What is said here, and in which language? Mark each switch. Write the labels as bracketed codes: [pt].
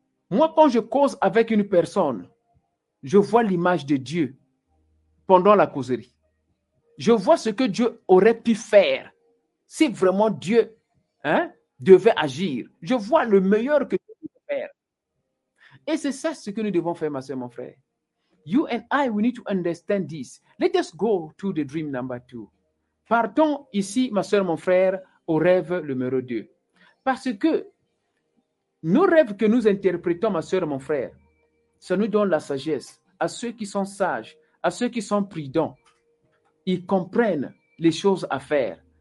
[fr] Moi, quand je cause avec une personne, je vois l'image de Dieu pendant la causerie. Je vois ce que Dieu aurait pu faire si vraiment Dieu devait agir. Je vois le meilleur que Dieu peut faire. Et c'est ça ce que nous devons faire, ma soeur, mon frère. [en] You and I, we need to understand this. Let us go to the dream number two. [fr] Partons ici, ma soeur, mon frère, au rêve numéro 2. Parce que nos rêves que nous interprétons, ma soeur, mon frère, ça nous donne la sagesse. À ceux qui sont sages, à ceux qui sont prudents, ils comprennent les choses à faire.